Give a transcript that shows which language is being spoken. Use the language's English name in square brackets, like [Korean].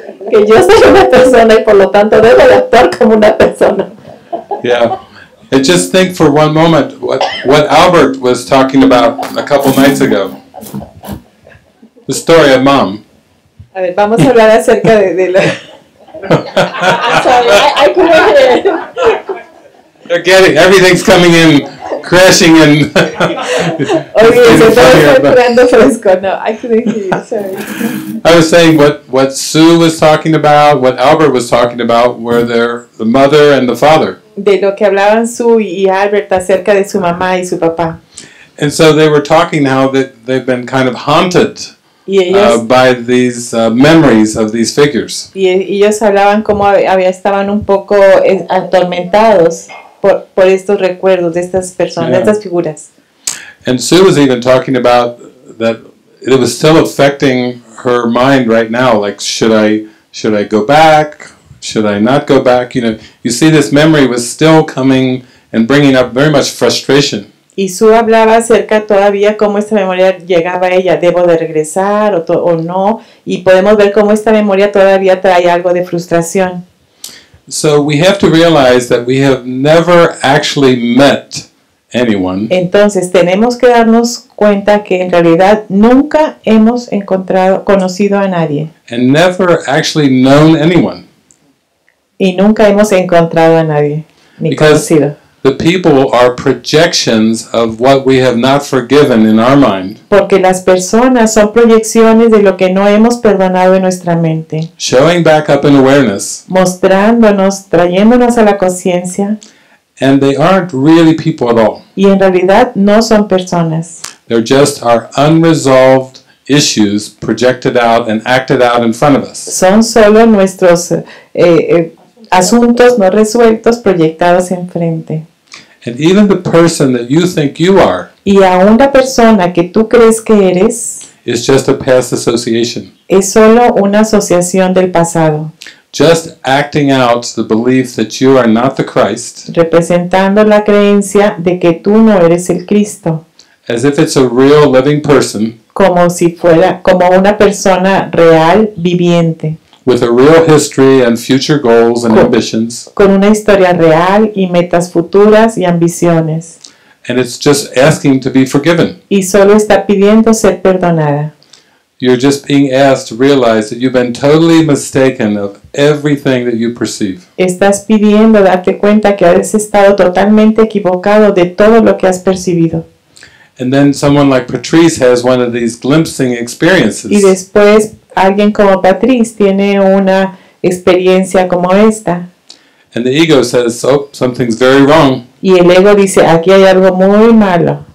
[Spanish] que yo soy una persona y por lo tanto debo de actuar como una persona. Yeah. [English] And just think for one moment what Albert was talking about a couple nights ago. The story of mom. [Spanish] A ver, vamos a hablar acerca de la... [English] I'm sorry, I couldn't hear. You're getting, everything's coming in, crashing in. [Spanish] Oye, se está entrando fresco. [English] No, I couldn't hear you, sorry. I was saying what Sue was talking about, what Albert was talking about, were the mother and the father. [Spanish] De lo que hablaban Sue y Albert acerca de su mamá y su papá. [English] And so they were talking how that they've been kind of haunted by these memories of these figures. [Spanish] Y ellos hablaban cómo estaban un poco atormentados por estos recuerdos de estas personas, estas figuras. [English] And Sue was even talking about that it was still affecting her mind right now, like should I go back? Should I not go back? You know, you see this memory was still coming and bringing up very much frustration. [Spanish] Y Sue hablaba acerca todavía cómo esta memoria llegaba a ella. ¿Debo de regresar o no? Y podemos ver cómo esta memoria todavía trae algo de frustración. [English] So we have to realize that we have never actually met anyone. [Spanish] Entonces tenemos que darnos cuenta que en realidad nunca hemos conocido a nadie. [English] And never actually known anyone. [Spanish] Y nunca hemos encontrado a nadie, ni conocido. [English] The people are projections of what we have not forgiven in our mind. [Spanish] Porque las personas son proyecciones de lo que no hemos perdonado en nuestra mente. [English] Showing back up in awareness. [Spanish] Mostrándonos, trayéndonos a la conciencia. [English] And they aren't really people at all. [Spanish] Y en realidad no son personas. [English] They're just our unresolved issues projected out and acted out in front of us. [Spanish] Son solo nuestros asuntos no resueltos proyectados enfrente. [English] And even the person that you think you are, [Spanish] y aún la persona que tú crees que eres, [English] is just a past association. [Spanish] Es solo una asociación del pasado. [English] Just acting out the belief that you are not the Christ. [Spanish] Representando la creencia de que tú no eres el Cristo. [English] As if it's a real living person. [Spanish] Como si fuera como una persona real viviente. [English] With a real history and future goals and ambitions. [Spanish] Con una historia real y metas futuras y ambiciones. [English] And it's just asking to be forgiven. [Spanish] Y solo está pidiendo ser perdonada. [English] You're just being asked to realize that you've been totally mistaken of everything that you perceive. [Spanish] Estás pidiendo darte cuenta que has estado totalmente equivocado de todo lo que has percibido. [English] And then someone like Patrice has one of these glimpsing experiences. [Spanish] Y después alguien como Patrice tiene una experiencia como esta. [English] And the ego says, oh, something's very wrong. [Spanish] Y el ego dice, aquí hay algo muy malo.